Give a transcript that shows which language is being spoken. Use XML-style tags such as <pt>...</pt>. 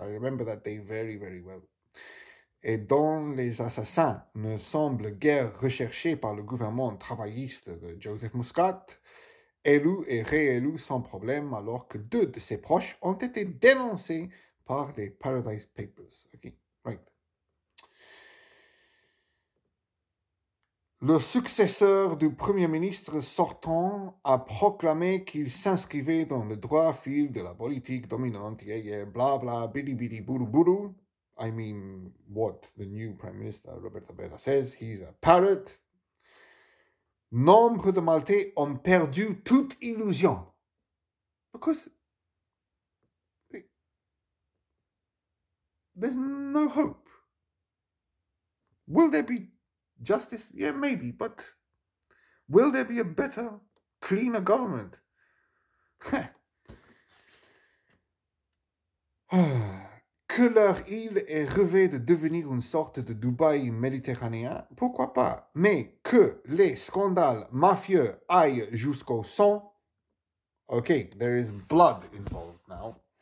<en>I remember that day very, very well.</en> <fr>Et dont les assassins ne semblent guère recherchés par le gouvernement travailliste de Joseph Muscat, élu et réélu sans problème alors que deux de ses proches ont été dénoncés par les Paradise Papers.</fr> <en>Okay. Right.</en> <fr>Le successeur du Premier ministre sortant a proclamé qu'il s'inscrivait dans le droit fil de la politique dominante,</fr> <en>yeah, yeah,</en> <fr>bla bla, bidi bidi boulou boulou.</fr> <en>I mean, what the new Prime Minister, Roberto Bella, says. He's a parrot.</en> <fr>Nombre de Maltais ont perdu toute illusion.</fr> <en>Because there's no hope. Will there be justice? Yeah, maybe. But will there be a better, cleaner government?</en> <fr>Que leur île est rêvée de devenir une sorte de Dubaï méditerranéen, pourquoi pas? Mais que les scandales mafieux aillent jusqu'au sang.</fr> <en>Ok, there is blood involved now.</en>